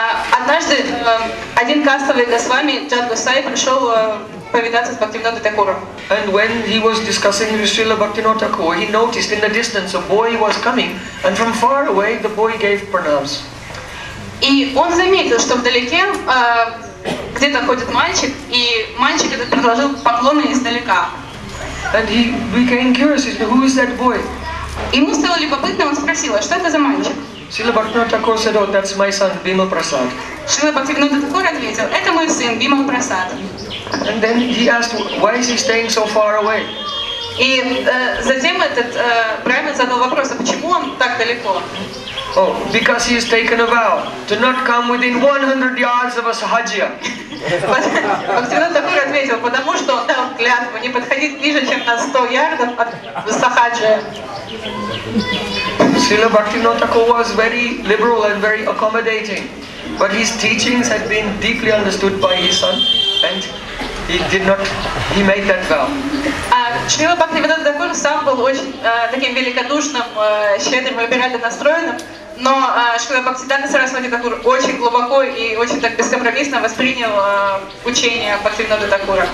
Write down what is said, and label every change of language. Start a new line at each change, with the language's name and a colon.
Russian: Однажды один кастовый Госвами, Джат Госвами, пришел повидаться с Бхактивинодой Такуром.
English: And when he was discussing with Srila Bhaktivinoda Thakur, he noticed in the distance a boy was coming, and from far away the boy gave pranams.
Russian: И он заметил, что вдалеке где-то ходит мальчик, и мальчик этот предложил поклоны издалека.
English: And he became curious, he said, who is that boy?
Russian: Ему стало любопытно, он спросил, а что это за мальчик?
English: Srila Bhaktivinoda Thakur said, oh, that's my son, Bhima Prasad.
Russian: Srila Bhaktivinoda Thakur ответил, это мой сын, Bhima Prasad.
English: And then he asked, why is he staying so far away?
Russian: И затем этот Брамин задал вопрос, а почему он так далеко?
English: Oh, because he has taken a vow to not come within 100 yards of a sahajya.
Russian: Бхактивинода Такур ответил, потому что он дал клятву не подходить ближе, чем на 100 ярдов от сахаджия.
English: Srila Bhaktivinoda Thakur was very liberal and very accommodating, but his teachings had been deeply understood by his son, and he did not, he made that vow.
Russian: Шрила Бхактивинода Такур сам был очень таким великодушным, щедрым и либерально настроенным, но Шрила Бхактивинода Сарасвати Такур очень глубоко и очень так бескомпромиссно воспринял учение Бхактивинода Такура.